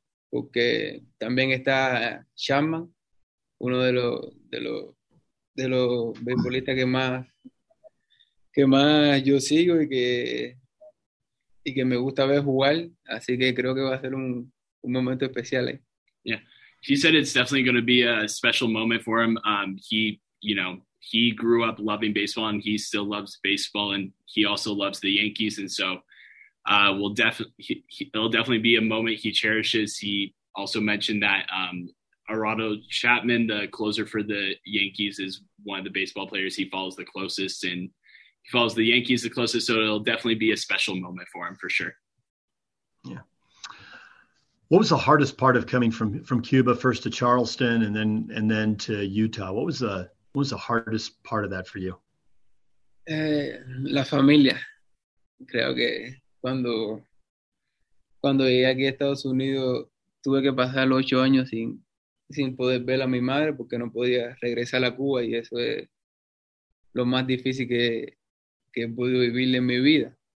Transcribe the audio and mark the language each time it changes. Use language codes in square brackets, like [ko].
[es] Porque también está Chang, uno de los beisbolistas que más yo sigo y que me gusta ver jugar, así que creo que va a ser un momento especial ahí. [en] Yeah, he said it's definitely going to be a special moment for him. He grew up loving baseball and he still loves baseball and he also loves the Yankees, and so It'll definitely be a moment he cherishes. He also mentioned that Arado Chapman, the closer for the Yankees, is one of the baseball players he follows the closest, and he follows the Yankees the closest, so it'll definitely be a special moment for him, for sure. Yeah. What was the hardest part of coming from Cuba, first to Charleston, and then to Utah? What was the hardest part of that for you? [es] La familia. Creo que cuando llegué aquí a Estados Unidos, tuve que pasar los 8 años sin poder ver a mi madre porque no podía regresar a Cuba, y eso es lo más difícil que he podido vivir en mi vida.